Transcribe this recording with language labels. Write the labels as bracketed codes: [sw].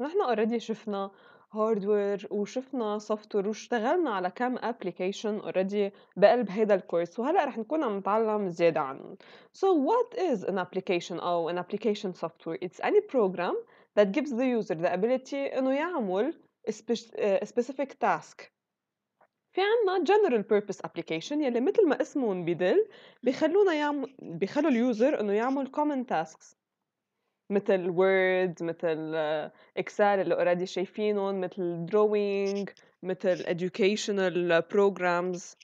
[ar] نحن already شفنا hardware وشفنا software واشتغلنا على كم application already بقلب هيدا الكورس، وهلأ رح نكون عم نتعلم زيادة عنهم. [en] So what is an application or an application software? It's any program that gives the user the ability [ar] انه يعمل [en] a specific task. [ar] في عنا General Purpose Application يلي مثل ما اسمهم بيدل بيخلونا بيخلوا اليوزر انه يعمل Common Tasks مثل Word، مثل Excel اللي قرادي شايفينهم، مثل Drawing، مثل Educational Programs.